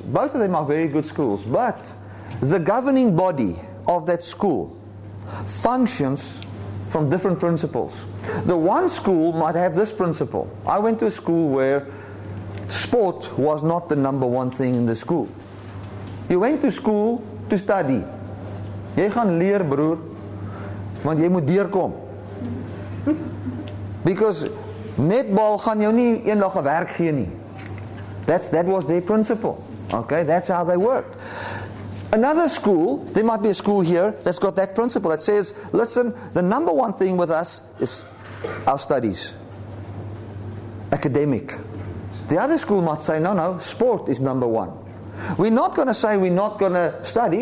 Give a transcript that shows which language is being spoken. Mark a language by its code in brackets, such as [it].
[en] Both of them are very good schools, but the governing body of that school functions from different principles. The one school might have this principle. I went to a school where sport was not the number one thing in the school. You went to school to study. [af] Jy gaan leer, broer, want jy moet deurkom. Because netball gaan jou nie eendag 'n werk gee nie. [en] That was their principle. Okay, that's how they worked. Another school, there might be a school here that's got that principle that says, listen, the number one thing with us is our studies. Academic. The other school might say, no, sport is number one. We're not going to say we're not going to study.